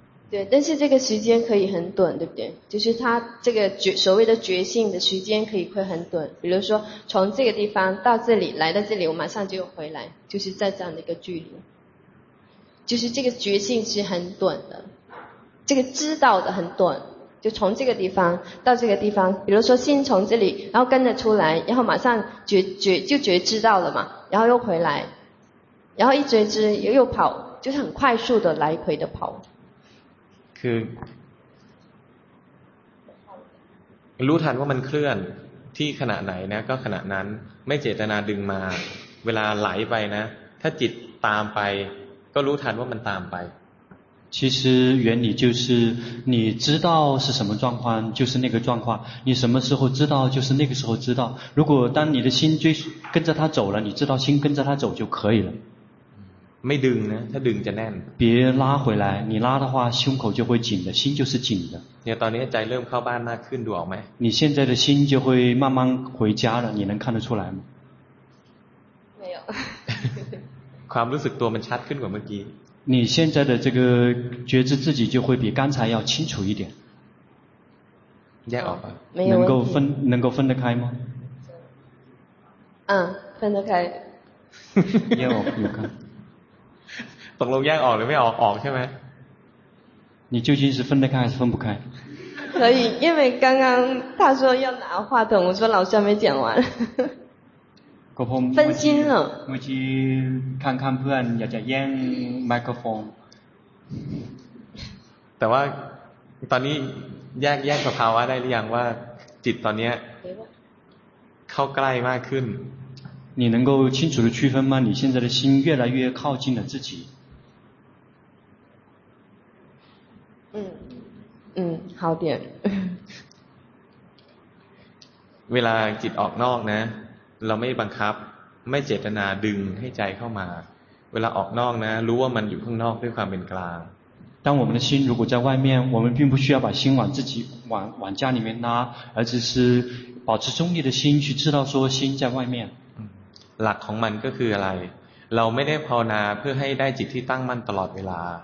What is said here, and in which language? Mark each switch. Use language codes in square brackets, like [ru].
[zh] 对但是这个时间可以很短对不对就是他这个所谓的觉性的时间可以会很短比如说从这个地方到这里来到这里我马上就回来就是在这样的一个距离就是这个觉性是很短的这个知道的很短就从这个地方到这个地方比如说心从这里然后跟着出来然后马上就觉知道了嘛然后又回来然后一觉知又跑就是很快速的来回的跑 [th] คือรู้ทันว่ามันเคลื่อนที่ขณะไหนนะก็ขณะนั้นไม่เจตนาดึงมาเวลาไหลไปนะถ้าจิตตามไปก็รู้ทันว่ามันตามไป [zh] 其实原理就是你知道是什么状况就是那个状况你什么时候知道就是那个时候知道如果当你的心追跟着他走了你知道心跟着他走就可以了 [th] ไม่ดึงนะถ้าดึงจะแน่น [zh] 别拉回来你拉的话胸口就会紧的心就是紧的 [th] เนี่ยตอนนี้ใจเริ่มเข้าบ้านมากขึ้นดูออกไหม [zh] 你现在的心就会慢慢回家了你能看得出来吗没有 [th] ความรู้สึกตัวมันชัดขึ้นกว่าเมื่อกี้ [zh] 你现在的这个觉知自己就会比刚才要清楚一点 [th] แยกออกไ [zh] หม没有能够分得开吗分得开 [th] แยกออกอยู่ครับ ตกลงแยกออกหรือไม่ออกออกใช่ไหม [zh] 你究竟是分得开还是分不开可以因为刚刚他说要拿话筒我说老师还没讲完 [th] ก็ผม [zh] 分心了 [th] เมื่อกี้ข้างๆเพื่อนอยากจะแย่งไมโครโฟน แต่ว่าตอนนี้แยกสภาวะได้หรือยังว่าจิตตอนนี้เข้าใกล้มากขึ้น [zh] 你能够清楚的区分吗你现在的心越来越靠近了自己好点 [th] เวลาจิตออกนอกนะเราไม่บังคับไม่เจตนาดึงให้ใจเข้ามาเวลาออกนอกนะรู้ว่ามันอยู่ข้างนอกด้วยความเป็นกลาง [zh] 当我们的心如果在外面我们并不需要把心往自己往家里面拉而只是保持中立的心去知道说心在外面 [th] หลักของมันก็คืออะไรเราไม่ได้ภาวนาเพื่อให้ได้จิตที่ตั้งมั่นตลอดเวลา